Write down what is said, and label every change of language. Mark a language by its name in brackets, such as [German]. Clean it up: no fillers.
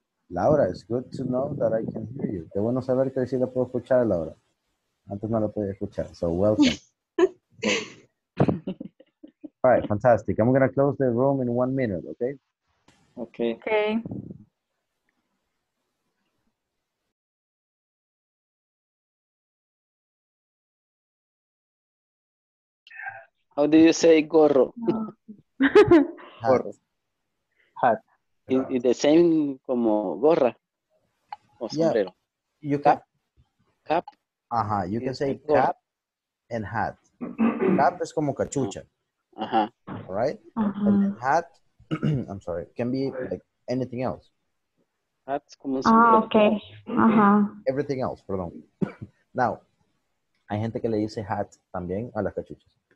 [English] Laura, it's good to know that I can hear you. [Spanish] Qué bueno saber que sí la puedo escuchar, Laura. Antes no lo podía escuchar. [English] So, welcome. All right, fantastic. I'm going to close the room in 1 minute, okay? Okay. Okay. How do you say gorro? [Spanish] Gorro. [English] Hat. Is the same [Spanish] como gorra? O sombrero? [English] Yeah. You cap? Cap? Ajá, you can say cap and hat. Cap [Spanish] es como cachucha. Ajá. [English] All right? And hat, I'm sorry, can be like anything else. [Spanish] Hat es como... okay. Ajá. [English] Everything else, [Spanish] perdón. Now, hay gente que le dice hat también a las cachuchas.